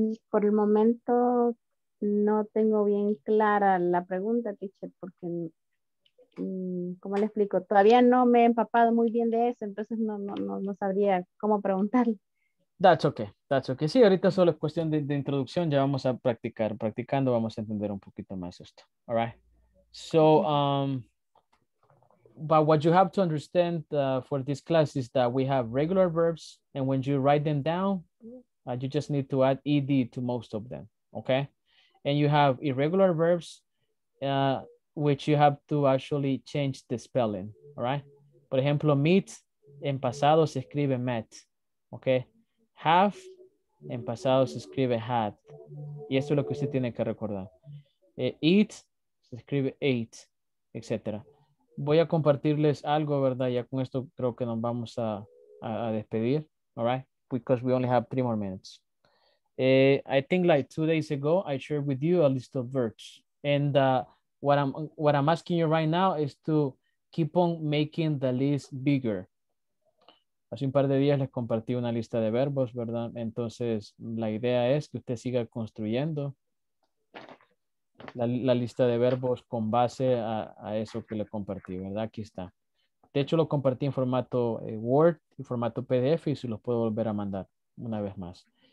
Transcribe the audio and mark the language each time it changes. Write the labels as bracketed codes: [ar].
[es] Por el momento no tengo bien clara la pregunta, teacher, porque, ¿cómo le explico? Todavía no me he empapado muy bien de eso, entonces no sabría cómo preguntarle. [en] That's okay. [es] Sí, ahorita solo es cuestión de introducción, ya vamos a practicar. Practicando vamos a entender un poquito más esto. [en] All right. So, but what you have to understand for this class is that we have regular verbs, and when you write them down, you just need to add ed to most of them, okay? And you have irregular verbs, which you have to actually change the spelling, all right? [es] Por ejemplo, meet, en pasado se escribe met, okay? Have, en pasado se escribe had. Y eso es lo que usted tiene que recordar. Eat, se escribe ate, etc. Voy a compartirles algo, ¿verdad? Ya con esto creo que nos vamos a despedir, [en] all right? Because we only have 3 more minutes. I think like 2 days ago, I shared with you a list of verbs. And what I'm asking you right now is to keep on making the list bigger. [es] Hace un par de días les compartí una lista de verbos, ¿verdad? Entonces, la idea es que usted siga construyendo la lista de verbos con base a eso que le compartí, ¿verdad? Aquí está. De hecho, lo compartí en formato Word, en formato PDF, y se los puedo volver a mandar una vez más.